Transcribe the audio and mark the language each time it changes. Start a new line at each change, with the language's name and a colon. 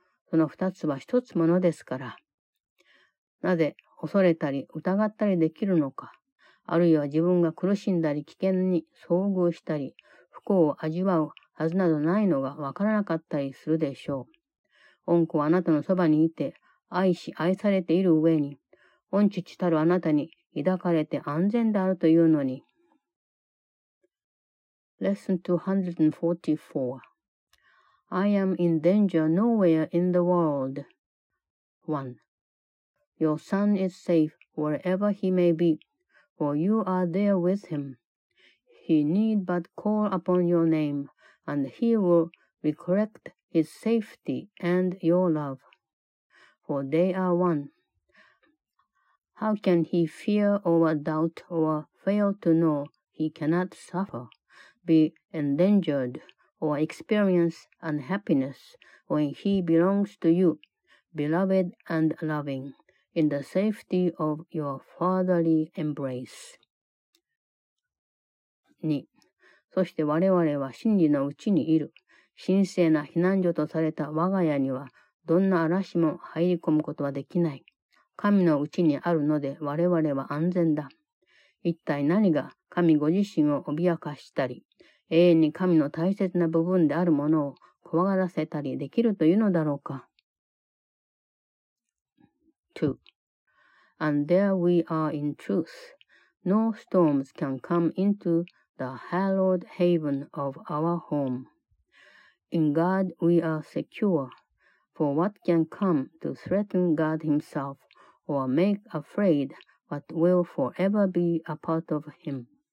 Japanese: その二つは一つものですから。なぜ恐れたり疑ったりできるのか、あるいは自分が苦しんだり危険に遭遇したり、不幸を味わうはずなどないのがわからなかったりするでしょう。御子はあなたのそばにいて、愛し愛されている上に、御父たるあなたに抱かれて安全であるというのに。
English: Lesson 244. I am in danger nowhere in the world. 1. Your son is safe wherever he may be, for you are there with him. He need but call upon your name, and he will recollect his safety and your love. For they are one. How can he fear or doubt or fail to know he cannot suffer, be endangered, or experience unhappiness when he belongs to you, beloved and loving, in the safety of your fatherly embrace? 2.
Japanese: そして我々は真理のうちにいる。神聖な避難所とされた我が家には、どんな嵐も入り込むことはできない。神のうちにあるので我々は安全だ。一体何が神ご自身を脅かしたり、永遠に神の大切な部分であるものを怖がらせたりできるというのだろうか。
English: 2. And there we are in truth. No storms can come into the hallowed haven of our home. In God we are secure. For what can come to threaten God himself or make afraid what will forever be a part of him?